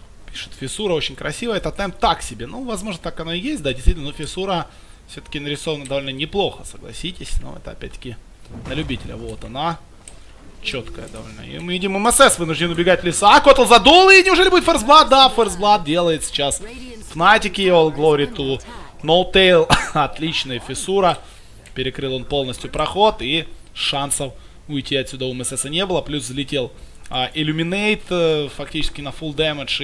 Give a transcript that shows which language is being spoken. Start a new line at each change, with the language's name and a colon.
Russian: Пишет, фиссура очень красивая, это темп так себе. Ну, возможно, так оно и есть, да, действительно, но фиссура все-таки нарисована довольно неплохо, согласитесь, но это опять-таки на любителя. Вот она. Четкая довольно. И мы видим, МСС вынужден убегать в леса. Котл задул. И неужели будет форсблад? Да, форсблад делает сейчас Фнатики.
English: All glory to Ноутейл.
Russian: Отличная фиссура. Перекрыл он полностью проход. И шансов уйти отсюда у МСС не было. Плюс залетел Illuminate фактически на full damage.